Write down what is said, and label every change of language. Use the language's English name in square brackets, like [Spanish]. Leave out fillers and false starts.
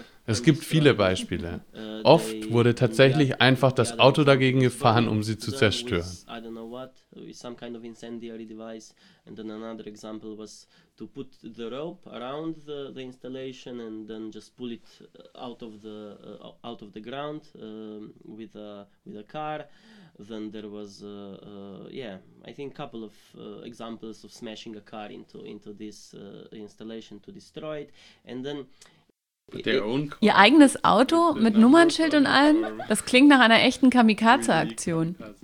[German] Es gibt viele Beispiele. Oft wurde tatsächlich einfach das Auto dagegen gefahren, um sie zu zerstören. [English] Then there was, I think a couple of examples of smashing a car into this installation to destroy it. And then [German] ihr eigenes Auto mit Nummernschild und allem, das klingt nach einer echten Kamikaze-Aktion.